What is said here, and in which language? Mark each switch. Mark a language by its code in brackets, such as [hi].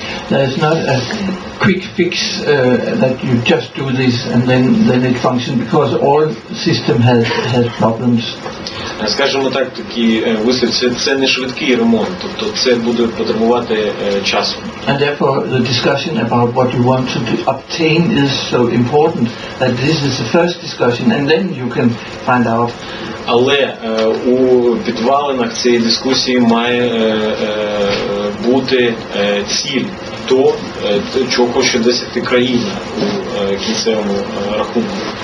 [en] There is not a quick fix that you just do this and then it functions, because all system has problems. [uk] Скажімо так, такі висновки, це не швидкий ремонт, тобто це буде потребувати часу. [en] And therefore the discussion about what you want to obtain is so important, that this is the first discussion and then you can find out. [uk] Але у підвалинах цієї дискусії має бути ціль. То, чого хоче досягти країна у кінцевому рахунку.